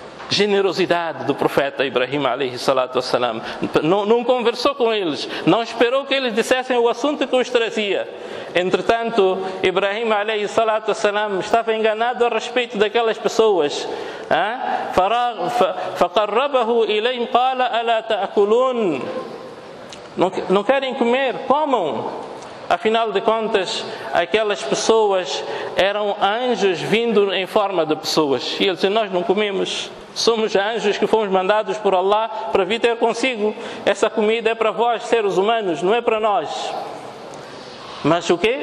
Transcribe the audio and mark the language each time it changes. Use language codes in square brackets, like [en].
[pt] Generosidade do profeta Ibrahim alayhi salatu wassalam. Não conversou com eles, não esperou que eles dissessem o assunto que os trazia. Entretanto, Ibrahim alayhi salatu wassalam estava enganado a respeito daquelas pessoas. [ar] فَقَرَّبَهُ إِلَيْهِ قَالَ أَلَا تَأْكُلُونَ. [pt] Não querem comer? Comam. Afinal de contas, aquelas pessoas eram anjos vindo em forma de pessoas. E ele disse, nós não comemos. Somos anjos que fomos mandados por Allah para vir ter consigo. Essa comida é para vós, seres humanos, não é para nós. Mas o quê?